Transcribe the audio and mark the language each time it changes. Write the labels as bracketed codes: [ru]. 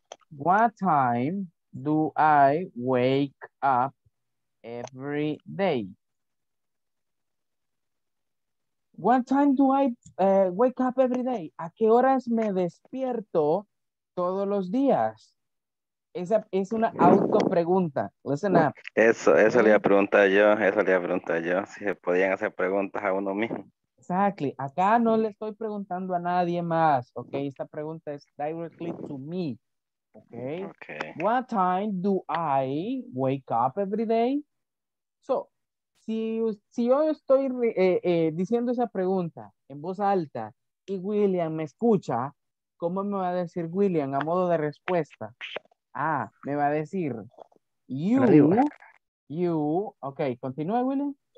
[en] What time do I wake up every day? What time do I wake up every day? [es] ¿A qué horas me despierto todos los días? Esa es una autopregunta. [en] Listen up. [es] Eso le iba a preguntar yo. Eso le iba a preguntar yo. Si se podían hacer preguntas a uno mismo. [en] Exactly. [es] Acá no le estoy preguntando a nadie más. Ok. Esta pregunta es [en] directly to me. Okay. Okay. What time do I wake up every day? [es] So, si yo estoy diciendo esa pregunta en voz alta y William me escucha, ¿cómo me va a decir William a modo de respuesta? Ah, me va a decir [en] you, okay, [es] continúa William.